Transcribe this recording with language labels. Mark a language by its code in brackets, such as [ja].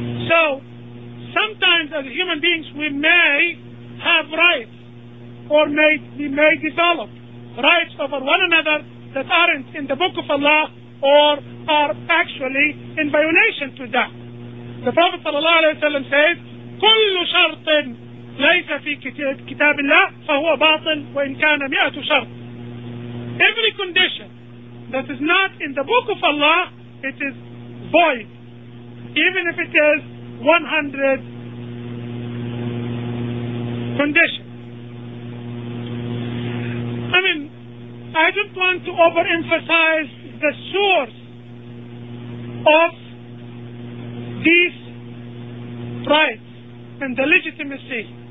[en] So sometimes as human beings we may have rights, or we may develop rights over one another that aren't in the book of Allah, or are actually in violation to that. The Prophet sallallahu alaihi wasallam says, [ar] كل شرط ليس في كتاب الله فهو باطل وإن كان مئة شرط. [en] Every condition that is not in the book of Allah, it is void, even if it is 100 conditions. I mean, I don't want to overemphasize the source of these rights and the legitimacy.